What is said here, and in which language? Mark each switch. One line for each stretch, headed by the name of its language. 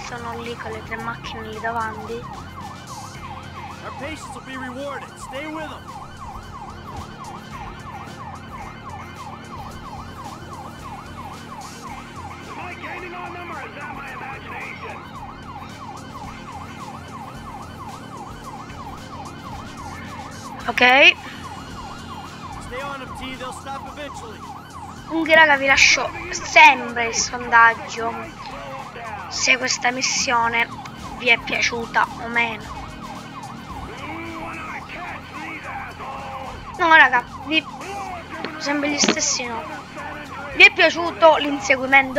Italian: Sono lì con le tre macchine lì davanti.
English: Our patience will be rewarded. Stay with them. Ok. Stay on them, T, they'll stop eventually.
Italian: Comunque raga, vi lascio sempre il sondaggio se questa missione vi è piaciuta o meno. No raga, vi sempre gli stessi no. Vi è piaciuto l'inseguimento?